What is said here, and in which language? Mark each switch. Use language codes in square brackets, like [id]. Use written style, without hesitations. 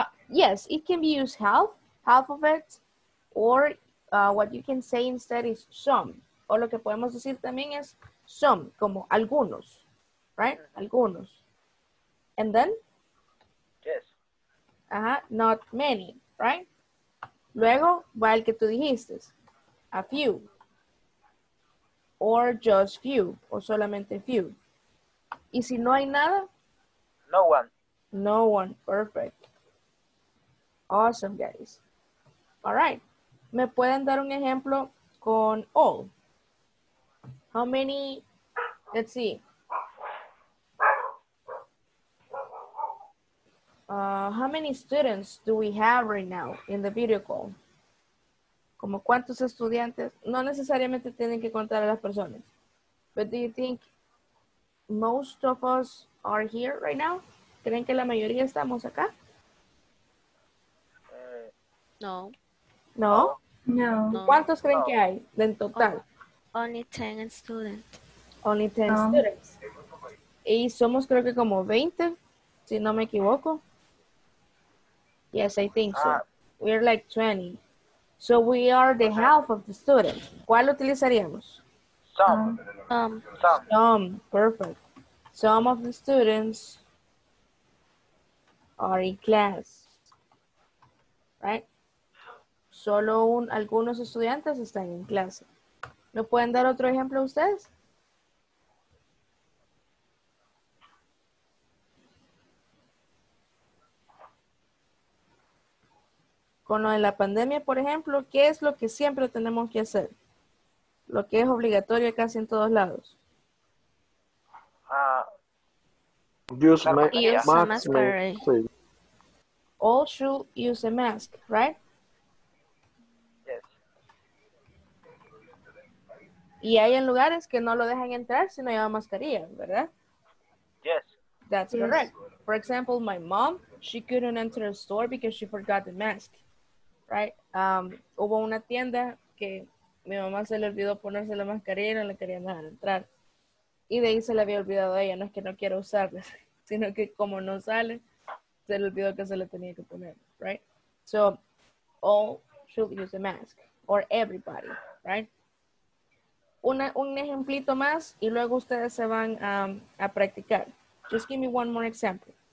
[en] Yes, it can be used half of it, or what you can say instead is some. [es] O lo que podemos decir también es some, como algunos, right? [en] Algunos. And then? Yes. Not many, right? [es] Luego va el que tú dijiste, a few. [en] Or just few, [es] o solamente few. ¿Y si no hay nada? [en] No one. No one, perfect. Awesome, guys. All right. [es] ¿Me pueden dar un ejemplo con all? [en] How many, let's see. How many students do we have right now in the video call? [es] Como cuántos estudiantes, no necesariamente tienen que contar a las personas. [en] But do you think most of us are here right now? [es] ¿Creen que la mayoría estamos acá? No. No? No. ¿Cuántos creen que hay en total? [en] Only 10 students. Only 10 students. [es] Y somos creo que como 20, si no me equivoco. [en] Yes, I think so. We're like 20. So we are the half of the students. [es] ¿Cuál utilizaríamos? [en] Some. Perfect. Some of the students are in class. Right? [es] Solo algunos estudiantes están en clase. ¿Me pueden dar otro ejemplo a ustedes? Con lo de la pandemia, por ejemplo, ¿qué es lo que siempre tenemos que hacer? Lo que es obligatorio casi en todos lados. [en] Use a mask. All should use a mask, right? Yes. [es] Y hay en lugares que no lo dejan entrar si no lleva mascarilla, ¿verdad? [en] Yes. That's correct. For example, my mom, she couldn't enter a store because she forgot the mask. [es] Right, hubo una tienda que mi mamá se le olvidó ponerse la mascarilla y no le querían dejar entrar. Y de ahí se le había olvidado a ella, no es que no quiera usarla, sino que como no sale, se le olvidó que se la tenía que poner, [en] right? So, all should use a mask, or everybody, right? [es] Un ejemplito más y luego ustedes se van a practicar. [en] Just give me one more example.